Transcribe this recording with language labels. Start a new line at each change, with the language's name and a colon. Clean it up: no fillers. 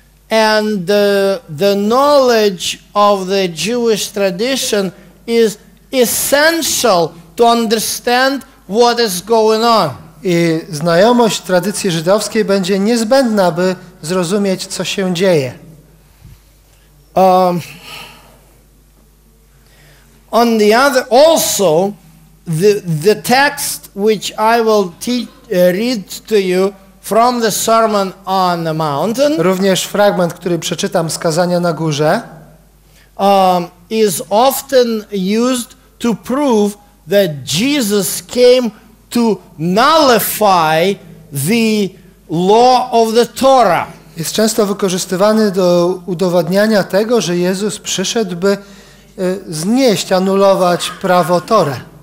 English: And the knowledge of the Jewish tradition is essential to understand what is going on.
Polish: I znajomość tradycji żydowskiej będzie niezbędna, by zrozumieć, co się dzieje.
English: On the other also the text which I will read to you from the Sermon on the Mountain.
Polish: Również fragment, który przeczytam z kazania na górze,
English: is often used to prove that Jesus came to nullify the law of the Torah.
Polish: Jest często wykorzystywany do udowadniania tego, że Jezus przyszedł, by znieść, anulować prawo Torę.